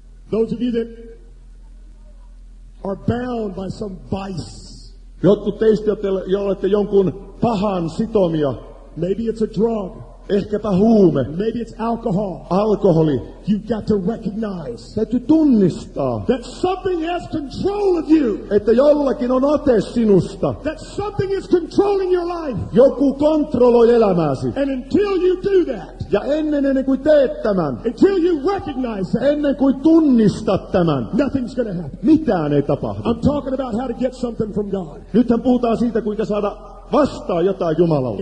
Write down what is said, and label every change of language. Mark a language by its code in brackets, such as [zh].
[en] Those of you that are bound by some vice. [fi] Jotkut teistä, jolla olette jonkun pahan sitomia. [en] Maybe it's a drug. [fi] Ehkäpä huume. [en] Maybe it's alcohol. [fi] Alkoholi. [en] You've got to recognize. [fi] Täytyy tunnistaa. [en] That something has control of you. [fi] Että jollakin on ote sinusta. [en] That something is controlling your life. [fi] Joku kontrolloi elämääsi. [en] And until you do that. [fi] Ja ennen kuin teet tämän. [en] Until you recognize that. [fi] Ennen kuin tunnistat tämän. [en] Nothing's gonna happen. [fi] Mitään ei tapahdu. [en] I'm talking about how to get something from God. [fi] Nythän puhutaan siitä, kuinka saada vastaa jotain Jumalalta.